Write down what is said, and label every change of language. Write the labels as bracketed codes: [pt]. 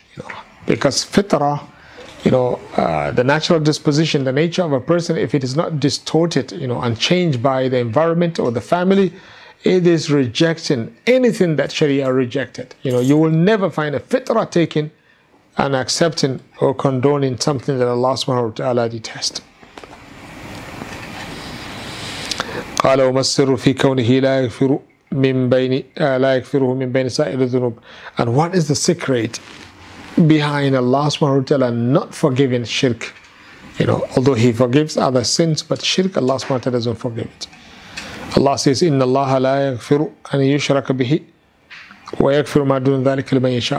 [en] You know, because fitra, you know, the natural disposition, the nature of a person, if it is not distorted, you know, and changed by the environment or the family, it is rejecting anything that Sharia rejected. You know, you will never find a fitra taking and accepting or condoning something that Allah subhanahu wa ta'ala detests. [ar] قال وما السر في كونه لا يغفر من بين لا يغفره من بين سائر الذنوب. [en] And what is the secret behind Allah subhanahu wa ta'ala not forgiving shirk? You know, although He forgives other sins, but shirk Allah subhanahu wa ta'ala doesn't forgive it. Allah says, [ar] إن الله لا يغفر أن يشرك به ويغفر ما دون ذلك لمن يشاء.